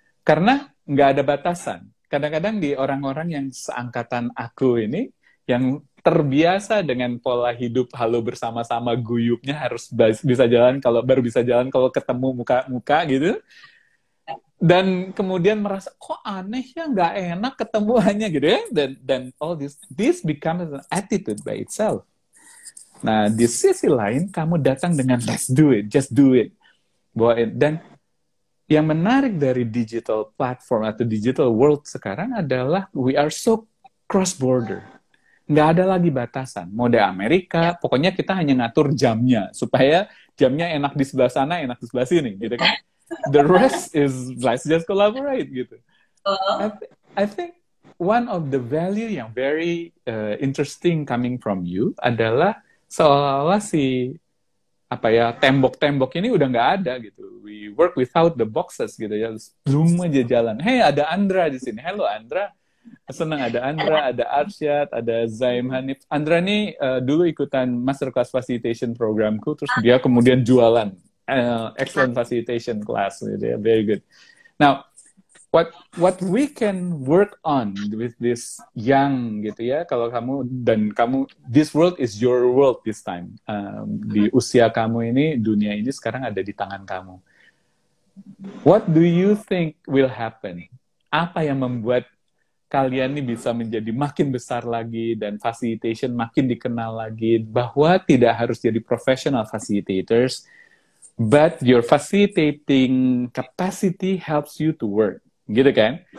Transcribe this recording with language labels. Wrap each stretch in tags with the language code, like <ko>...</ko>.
<id>Karena nggak ada batasan. Kadang-kadang di orang-orang yang seangkatan aku ini, yang terbiasa dengan pola hidup halo bersama-sama guyupnya harus bisa jalan, kalau baru bisa jalan kalau ketemu muka-muka gitu. Dan kemudian merasa kok aneh ya, nggak enak ketemuannya gitu ya.</id> <en>Dan all this becomes an attitude by itself.</en> <id>Nah, di sisi lain, kamu datang dengan</id> <en>let's do it, just do it.</en> <id>Bahwa, dan yang menarik dari digital platform atau digital world sekarang adalah</id> <en>we are so cross-border.</en> <id>Nggak ada lagi batasan. Mau di Amerika, pokoknya kita hanya ngatur jamnya. Supaya jamnya enak di sebelah sana, enak di sebelah sini. Gitu kan?</id> <en>The rest is let's just collaborate.</en> <id>Gitu.</id> <en>I think one of the value</en> <id>yang</id> <en>very interesting coming from you</en> <id>adalah seolah-olah si apa ya, tembok-tembok ini udah nggak ada gitu.</id> <en>We work without the boxes</en> <id>gitu ya. Zoom aja jalan. Hey, ada Andra di sini. Hello Andra. Senang ada Andra, ada Arsyad, ada Zaim Hanif. Andra ini dulu ikutan masterclass facilitation programku, terus dia kemudian jualan excellent facilitation class gitu ya.</id> <en>Very good. Now, what we can work on with this young</en> <id>gitu ya, kalau kamu dan kamu,</id> <en>this world is your world this time.</en> <id>Di usia kamu ini, dunia ini sekarang ada di tangan kamu.</id> <en>What do you think will happen?</en> <id>Apa yang membuat kalian ini bisa menjadi makin besar lagi dan facilitation makin dikenal lagi, bahwa tidak harus jadi professional facilitators,</id> <en>but your facilitating capacity helps you to work.</en> <id>Gitu kan?</id>